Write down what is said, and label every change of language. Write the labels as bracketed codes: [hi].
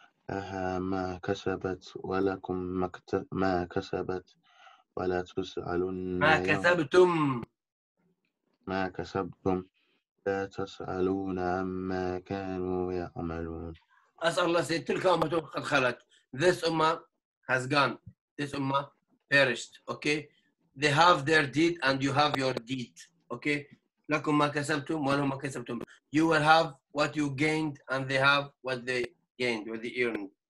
[ar] لها ما كسبت ولكم ما كسبت ولا تسألون ما كسبتم لا تسألون عما كانوا يعملون [en] As Allah said, [ar] تلك أمة قد خلت. [en] This ummah has gone. This ummah perished. Okay? They have their deed and you have your deed. Okay? [ar] لكم ما كسبتم ولهم ما كسبتم. [en] You will have what you gained and they have what they gained, what they earned.